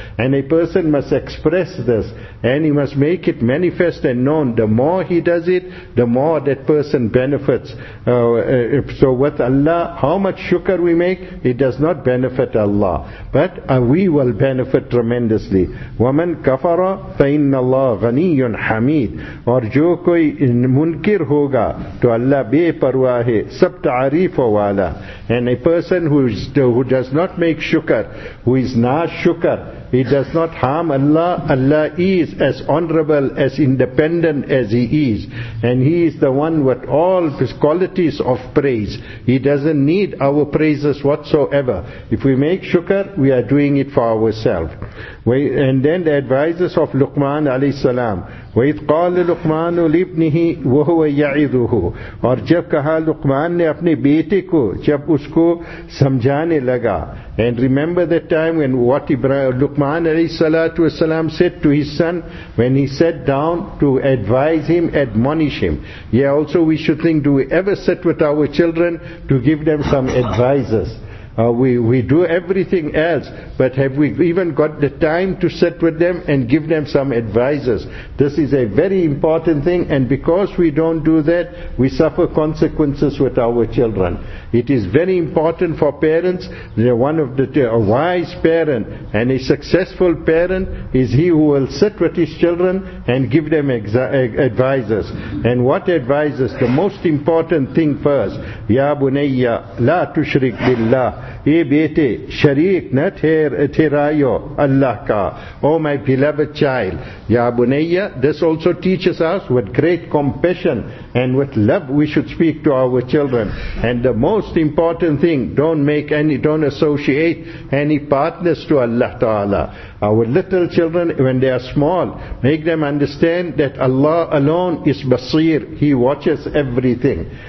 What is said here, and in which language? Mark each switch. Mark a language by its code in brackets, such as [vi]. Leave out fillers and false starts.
[en] And a person must express this, and he must make it manifest and known. The more he does it, the more that person benefits. So with Allah, how much shukr we make, it does not benefit Allah. But we will benefit tremendously. [ar] وَمَنْ كَفَرَ فَإِنَّ اللَّهُ غَنِيٌّ حَمِيدٌ [ur] اور جو کوئی منکر ہوگا تو اللہ بے پرواہ ہے سب تعریف والا. [en] And a person who does not make shukr, who is na shukr, he does not harm Allah. Allah is as honorable, as independent as he is. And he is the one with all his qualities of praise. He doesn't need our praises whatsoever. If we make shukr, we are doing it for ourselves. And then the advisors of Luqman alayhi salam. [ar] وَإِذْ قَالَ لُقْمَانُ لِبْنِهِ وَهُوَ يَعِذُهُ [ur] اور جب کہا لقمان نے اپنے بیٹے کو جب اس کو سمجھانے لگا. [en] And remember that time when what Luqman alayhi salatu wasalam said to his son when he sat down to advise him, admonish him. Yeah, also we should think, do we ever sit with our children to give them some advices? We do everything else, but have we even got the time to sit with them and give them some advices? This is a very important thing, and because we don't do that, we suffer consequences with our children. It is very important for parents. A wise parent and a successful parent is he who will sit with his children and give them advices. And what advices? The most important thing first. [ar] Ya bunayya la tushrik billah. [ur] اے بیٹے شریک نہ ٹھہرائیو اللہ کا. [en] Oh my beloved child, [ar] یا بنیہ, [en] this also teaches us with great compassion and with love we should speak to our children. And the most important thing, don't associate any partners to Allah Ta'ala. Our little children, when they are small, make them understand that Allah alone is basir, he watches everything.